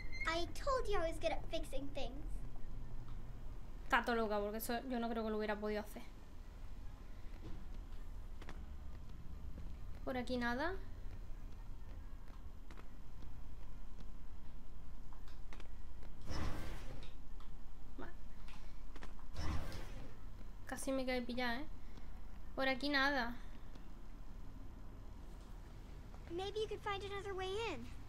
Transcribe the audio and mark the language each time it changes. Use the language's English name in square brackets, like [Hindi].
[English] I told you I was good at fixing things. [Spanish] Está todo loca, porque eso yo no creo que lo hubiera podido hacer. Por aquí nada. Casi me quedé pillada, ¿eh? Por aquí nada. [English] Maybe you could find another way in.